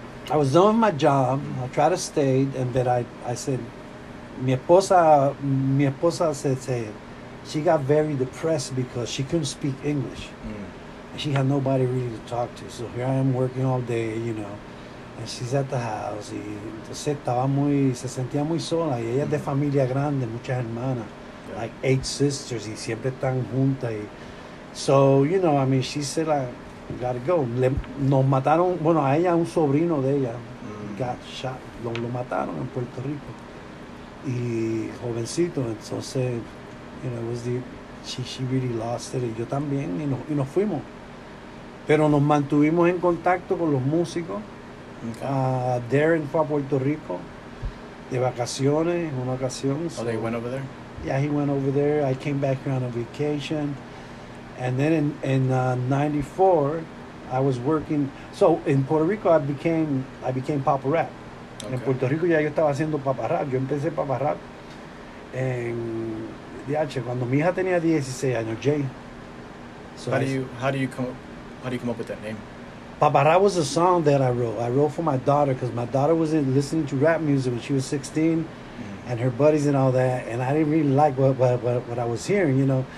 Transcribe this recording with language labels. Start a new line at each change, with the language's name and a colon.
English: I was done with my job. I tried to stay, and then I said,
Spanish: mi esposa
English: said, she got very depressed because she couldn't speak English. She had nobody really to talk to. So here I am working all day, you know. And she's at the house.
Spanish: Y entonces estaba muy, se sentía muy sola. Y ella es de familia grande, muchas hermanas.
English: Yeah. Like 8 sisters,
Spanish: y siempre están juntas.
English: Y, so, you know, I mean, she said, like, gotta go.
Spanish: Le, nos mataron, bueno, a ella, un sobrino de ella,
English: got shot.
Spanish: Lo mataron en Puerto Rico. Y jovencito, entonces,
English: you know, it was the, she really lost it.
Spanish: Y yo también, y nos fuimos. Pero nos mantuvimos en contacto con los músicos. Okay. Darren fue a Puerto Rico de vacaciones en una ocasión.
English: Oh, they went over there? Yeah, he went over there. I came back here on a vacation. And then in 94, I was working. So in Puerto Rico, I became Papa Rap. Okay.
Spanish: En Puerto Rico ya yo estaba haciendo Papa Rap. Yo empecé Papa Rap en DH cuando mi hija tenía 16 años, Jay.
English: So how do you come up with that name? Papa Rap was a song that I wrote. I wrote for my daughter because my daughter was listening to rap music when she was 16, and her buddies and all that. And I didn't really like what I was hearing, you know.